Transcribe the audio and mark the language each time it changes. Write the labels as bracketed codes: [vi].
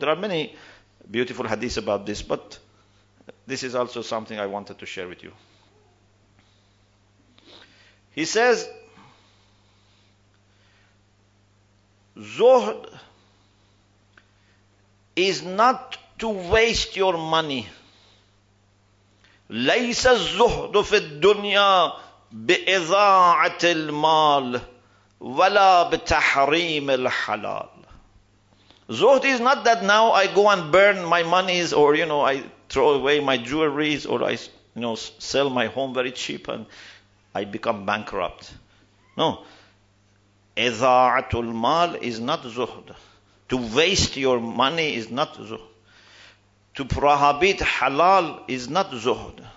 [en] There are many beautiful hadiths about this, but this is also something I wanted to share with you. He says, zuhd is not to waste your money. [ar] ليس الزهد في الدنيا بإضاعة المال ولا بتحريم الحلال. [en] Zuhd is not that now I go and burn my monies, or you know, I throw away my jewelries, or I, you know, sell my home very cheap and I become bankrupt. No. إضاعة المال is not zuhd. To waste your money is not zuhd. To prohibit halal is not zuhd.